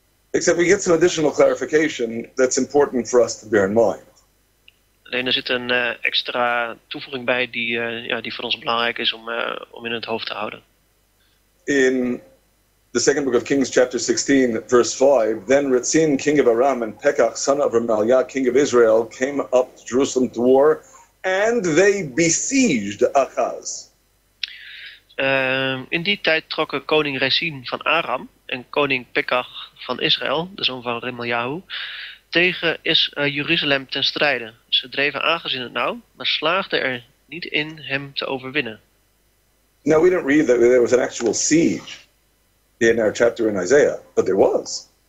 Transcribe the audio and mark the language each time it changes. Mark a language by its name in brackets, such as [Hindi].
[English] Except we get some additional clarification that's important for us to bear in mind. [Dutch] Alleen er zit een extra toevoeging bij die voor ons belangrijk is om in het hoofd te houden. [English] In the second book of Kings, chapter 16, verse 5, then Rezin, king of Aram, and Pekah, son of Remaliah, king of Israel, came up to Jerusalem to war, and they besieged Ahaz. [Dutch] In die tijd trokken koning Rezin van Aram en koning Pekah van Israël, de zoon van Remaliah, tegen Jeruzalem ten strijde. Ze dreven Ahaz in het nauw, maar slaagden er niet in hem te overwinnen. [English] Now we didn't read that there was an actual siege in our chapter in Isaiah, but there was.